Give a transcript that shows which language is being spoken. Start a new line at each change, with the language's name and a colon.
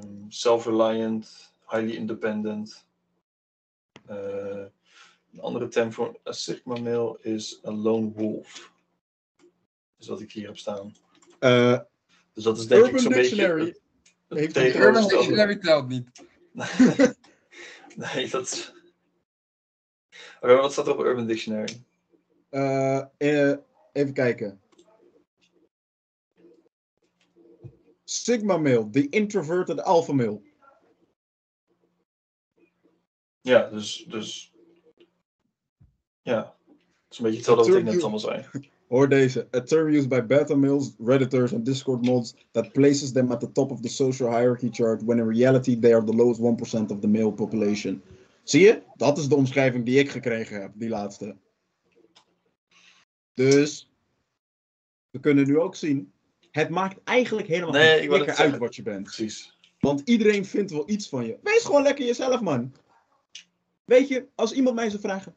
English: self-reliant, highly independent.
Dutch: Een andere term voor een sigma male is
English: a lone wolf.
Dutch: Is wat ik hier heb staan. Dus dat is denk Urban ik zo'n dictionary. Beetje... Het Urban Dictionary telt niet. Nee, dat is... Oké, okay, wat staat er op Urban Dictionary? Even kijken.
English: Sigma male, the introverted alpha male.
Dutch: Ja, dus... Ja. Het is een beetje hetzelfde wat ik net allemaal zei. Hoor deze.
English: A term used by beta males, redditors
Dutch: en
English: Discord mods that places them at the top of the social hierarchy chart when in reality they are the lowest 1% of the male population.
Dutch: Zie je? Dat is de omschrijving die ik gekregen heb, die laatste. Dus... We kunnen nu ook zien... Het maakt eigenlijk helemaal niet lekker uit wat je bent. Precies. Want iedereen vindt wel iets van je. Wees gewoon lekker jezelf, man. Weet je, als iemand mij zou vragen...